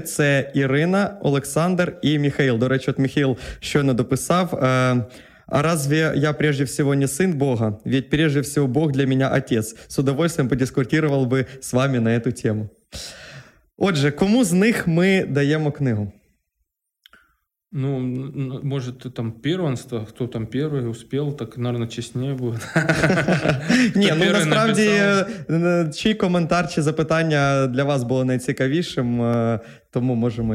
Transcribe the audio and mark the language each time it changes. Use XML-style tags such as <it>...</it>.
<uk>Це Ірина, Олександр і Михаил. До речі, от Михаил щойно дописав.</uk> <ru>А разве я прежде всего не сын Бога? Ведь прежде всего Бог для меня отец. С удовольствием подискутировал бы с вами на эту тему.</ru> <uk>Отже, кому з них ми даємо книгу? Ну, може, ти там первенство, хто там перший успів, так, мабуть, чесніше буде. Ні, ну насправді, чий коментар чи запитання для вас було найцікавішим, тому можемо</uk>